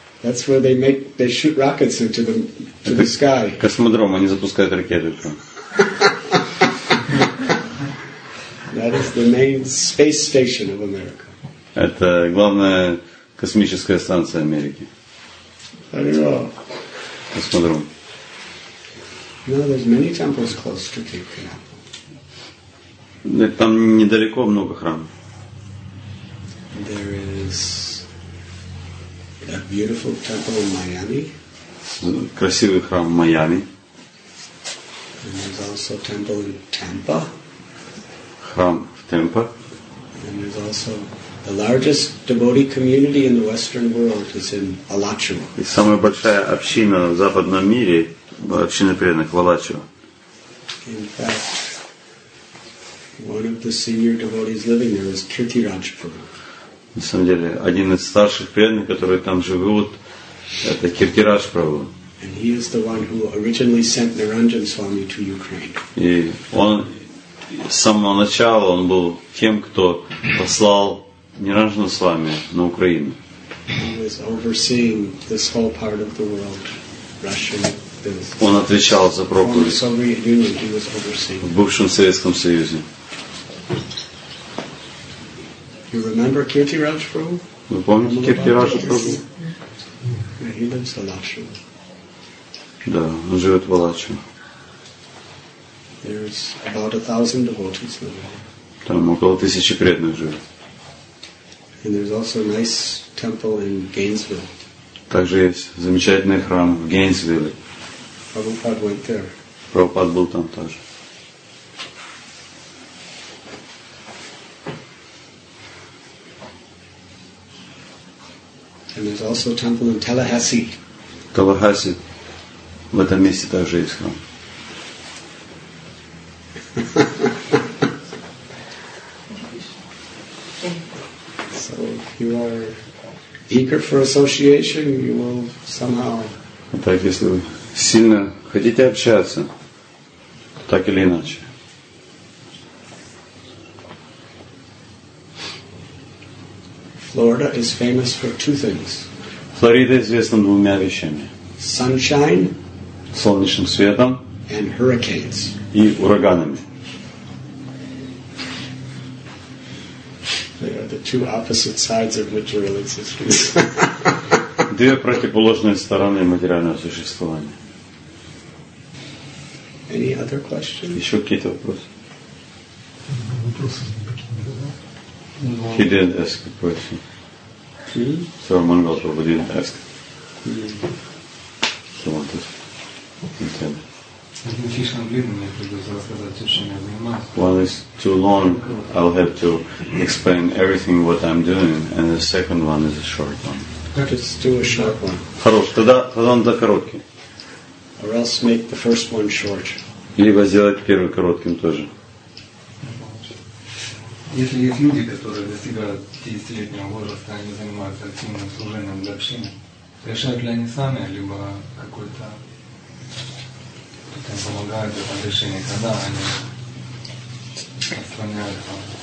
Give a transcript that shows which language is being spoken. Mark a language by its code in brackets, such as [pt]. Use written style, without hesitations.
[en] That's where they shoot rockets into the sky. [ru] Космодром, они запускают ракеты там. [en] That is the main space station of America. [ru] Это главная космическая станция Америки. [en] Very well. [ru] Космодром. [en] No, there's many temples close to Cape Canaveral. [ru] Там недалеко много храмов. [en] There is a beautiful temple in Miami. [ru] Красивый храм в Майами. [en] And there's also a temple in Tampa. [ru] Храм в Темпа. [en] And there's also the largest devotee community in the Western world is in Alachua. [ru] И самая большая община в западном мире, община преданных в Алачуа. [en] In fact, one of the senior devotees living there is Kirti Rajput. [ru] На самом деле, один из старших преданных, которые там живут, это Кирти Раджпрабху. [en] And he is the one who originally sent Niranjan Swami to Ukraine. [ru] И он с самого начала он был тем, кто послал Ниранджана Свами на Украину. [en] He was overseeing this whole part of the world, Russian. [ru] Он отвечал за проповедь в бывшем Советском Союзе. [en] You remember Kirti Rajprabhu? [ru] Вы помните Кирти Раджпрабху? [en] Yeah, he lives in Alachua. [ru] Да, он живет в Алачуа. [en] There's about 1,000 devotees living there. [ru] Там около 1,000 преданных живет. [en] And there's also a nice temple in Gainesville. [ru] Также есть замечательный храм в Гейнсвилле. [en] Prabhupada went there. [ru] Прабхупада был там тоже. [en] And there's also a temple in Tallahassee. Tallahassee. [ru] В этом месте также есть храм. [en] So if you are eager for association, you will somehow. [ru] Так, если вы сильно хотите общаться, то так или иначе. [en] Florida is famous for two things. [ru] Флорида известна двумя вещами. [en] Sunshine, [ru] солнечным светом, [en] and hurricanes. [ru] И ураганами. [en] They are the two opposite sides of material existence. [ru] Две противоположные стороны материального существования. [en] Any other questions? [ru] Еще какие-то вопросы? Вопросы. [en] He didn't ask a question. So Mangal Prabhu didn't ask. So what is it? One is too long, I'll have to explain everything what I'm doing, and the second one is a short one. Just do a short one. [ru] Хорош, тогда он за короткий. [en] Or else make the first one short. [ru] Либо сделать первый коротким тоже. Если есть люди, которые достигают 50-летнего возраста, они занимаются активным служением для общины, решают ли они сами, либо какой-то кто-то помогает в этом решении, когда они отстраняют там.